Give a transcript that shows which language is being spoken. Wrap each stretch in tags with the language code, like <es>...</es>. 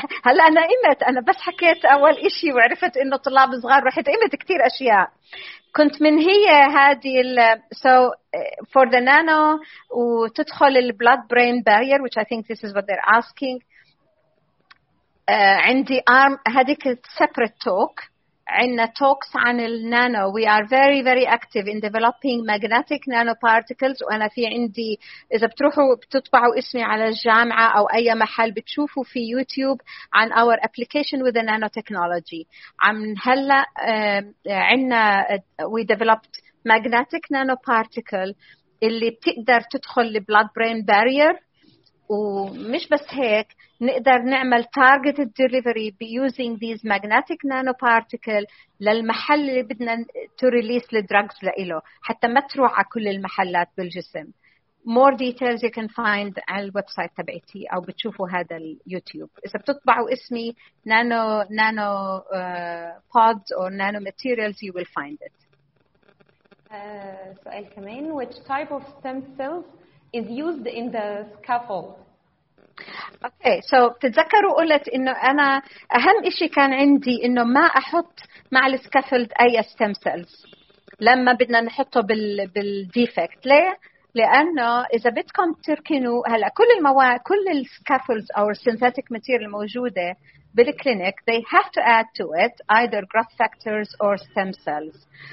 <ar>هلا أنا قمت، أنا بس حكيت أول إشي وعرفت إنه طلاب صغار، رحت قمت كتير أشياء كنت من هي هذه</ar> <en>for the nano</en> <ar>وتدخل</ar> <en>blood brain barrier which I think this is what they're asking.</en> <ar>عندي arm هذيك</ar> <en>separate talk،</en> <ar>عندنا talks عن النانو.</ar> <en>We are very very active in developing magnetic nanoparticles.</en> <ar>وأنا في عندي إذا بتروحوا بتطبعوا اسمي على الجامعة أو أي محل بتشوفوا في يوتيوب عن</ar> <en>our application with the nanotechnology.</en> <ar>عم هلا عندنا</ar> <en>we developed magnetic nanoparticle</en> <ar>اللي بتقدر تدخل</ar> <en>the blood brain barrier.</en> <ar>ومش بس هيك، نقدر نعمل</ar> <en>targeted delivery by using these magnetic nanoparticle</en> <ar>للمحل اللي بدنا</ar> <en>to release the drugs</en> <ar>لإله حتى ما تروح على كل المحلات بالجسم.</ar> <en>more details you can find</en> <ar>على الويبسايت تبعتي أو بتشوفوا هذا اليوتيوب. إذا بتطبعوا اسمي</ar> <en>nano pods or nano materials you will find it.</en> <ar>سؤال كمان,</ar> <en>which type of stem cells is used in the scaffold?</en> <ar>Okay, so تتذكروا قلت إنه أنا أهم إشي كان عندي إنه ما أحط مع السكافولد أي stem cells لما بدنا نحطه بالديفكت. ليه؟ لأنه إذا بدكم تركنوا هلأ كل المواد, كل السكافولد أو السينثاتيك ماتيريال الموجودة بالكلينيك,</ar> <en>they have to add to it either growth factors or stem cells.</en>